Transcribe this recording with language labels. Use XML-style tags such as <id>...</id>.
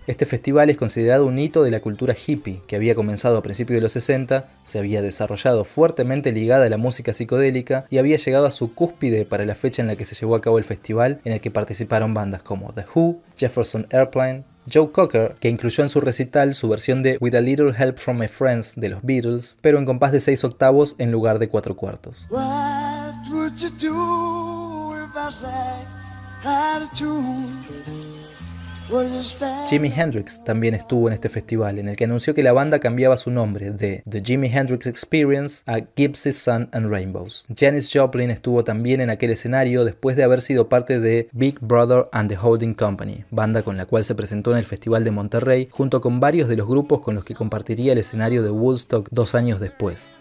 <es>Este festival es considerado un hito de la cultura hippie, que había comenzado a principios de los 60, se había desarrollado fuertemente ligada a la música psicodélica y había llegado a su cúspide para la fecha en la que se llevó a cabo el festival, en el que participaron bandas como The Who, Jefferson Airplane, Joe Cocker, que incluyó en su recital su versión de With a Little Help from My Friends de los Beatles, pero en compás de 6 octavos en lugar de 4 cuartos.</es> <en>What? would you do if I sang out of tune?</en> <es>Jimi Hendrix también estuvo en este festival, en el que anunció que la banda cambiaba su nombre de The Jimi Hendrix Experience a Gypsy, Sun and Rainbows. Janis Joplin estuvo también en aquel escenario después de haber sido parte de Big Brother and the Holding Company, banda con la cual se presentó en el Festival de Monterrey, junto con varios de los grupos con los que compartiría el escenario de Woodstock 2 años después.</es>